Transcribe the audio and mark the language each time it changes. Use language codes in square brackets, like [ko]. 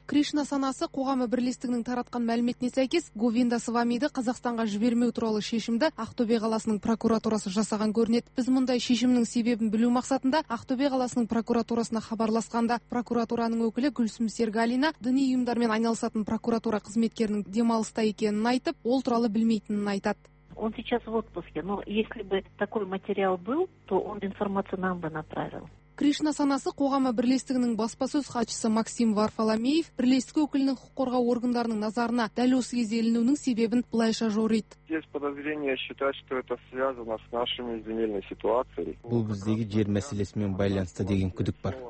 [kk] Кришна Санасы қоғамы бірлестігінің таратқан мәліметіне сәйкес, Говинда Свамиді Қазақстанға жібермеу туралы шешімді Ақтөбе қаласының прокуратурасы жасаған көрінеді. Біз мұндай шешімнің себебін білу мақсатында Ақтөбе қаласының прокуратурасына хабарласқанда, прокуратураның өкілі Гүлсім Сергалина діни ұйымдармен айналысатын прокуратура қызметкерінің демалыста екенін айтып, ол туралы білмейтінін айтады. [ru] Он сейчас в отпуске, но если бы такой материал был, то он информацию нам бы направил. [kk] Кришна Санасы қоғамы бірлестігінің баспасөз хатшысы Максим Варфоломеев бірлестік өкілінің құқық қорғау органдарының назарына дәл осы кезде ілінуінің себебін былайша жорыйды. Бұл біздегі жер мәселесімен байланысты деген күдік бар.